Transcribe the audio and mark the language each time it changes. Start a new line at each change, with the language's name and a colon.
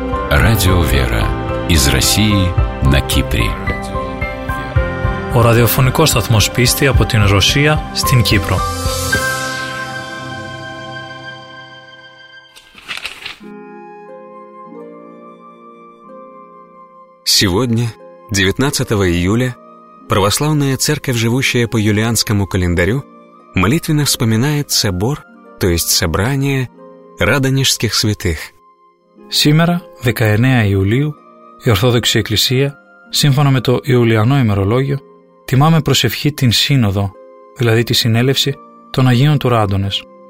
Russian: Радио «Вера» из России на Кипре.
Greek: Ο ραδιοφωνικός σταθμός πίστη από την Ρωσία στην Κύπρο.
Russian: Сегодня, 19 июля, православная церковь, живущая по юлианскому календарю, молитвенно вспоминает собор, то есть собрание Радонежских святых. Сегодня, 19 июля,
Greek: η Ορθόδοξη Εκκλησία, σύμφωνα με το Ιουλιανό ημερολόγιο, τιμάμε προσευχή την Σύνοδο, δηλαδή τη Συνέλευση των Αγίων του Ράντονες.